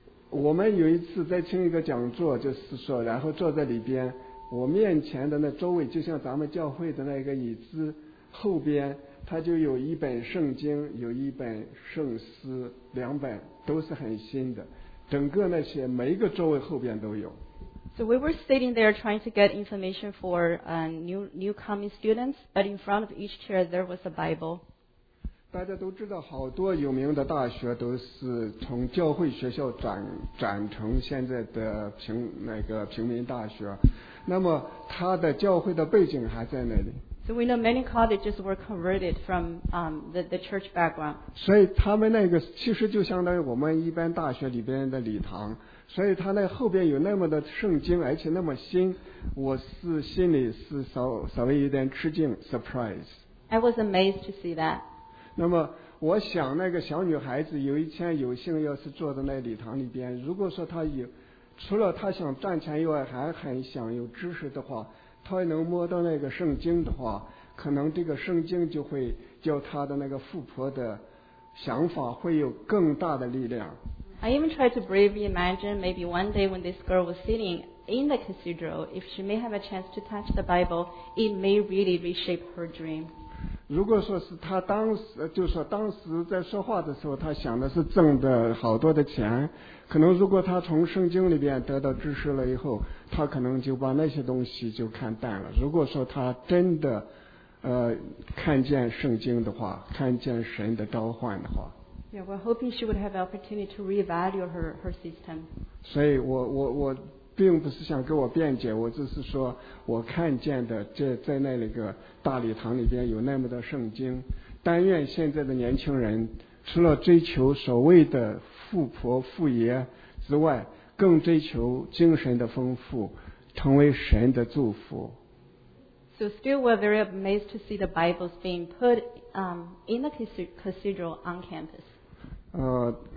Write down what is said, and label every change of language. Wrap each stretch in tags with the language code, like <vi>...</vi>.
<zh>我们有一次在听一个讲座，就是说，然后坐在里边，我面前的那周围就像咱们教会的那个椅子后边，它就有一本圣经，有一本圣诗，两本都是很新的，整个那些每一个周围后边都有。</zh> <en>So we were sitting there trying to get information for new coming students, but in front of each chair there was a Bible.</en> <zh>大家都知道，好多有名的大学都是从教会学校转成现在的平民大学。那么他的教会的背景还在那里。</zh> <en>So we know many colleges were converted from the church background.</en> <zh>所以他们那个其实就相当于我们一般大学里边的礼堂。所以他那后边有那么的圣经，而且那么新，我是心里是稍微有点吃惊 ，surprise。</zh> <en>I was amazed to see that.</en> <zh>那么我想那个小女孩子有一天有幸要是坐在那礼堂里边，如果说她有除了她想赚钱以外还很想有知识的话，她能摸到那个圣经的话，可能这个圣经就会叫她的那个富婆的想法会有更大的力量。</zh> <en>I even tried to bravely imagine maybe one day when this girl was sitting in the cathedral, if she may have a chance to touch the Bible, it may really reshape her dream.</en> <zh>如果说是她当时，就是说当时在说话的时候，她想的是挣的好多的钱，可能如果她从圣经里边得到知识了以后，她可能就把那些东西就看淡了。如果说她真的，看见圣经的话，看见神的召唤的话。</zh> <en>Yeah, we're hoping she would have the opportunity to reevaluate her system.</en> <zh>所以我并不是想给我辩解，我只是说我看见的这在那个大礼堂里边有那么的圣经，但愿现在的年轻人除了追求所谓的富婆富爷之外，更追求精神的丰富，成为神的祝福。</zh> <en>So still we're very amazed to see the Bibles being put in the cathedral on campus.</en>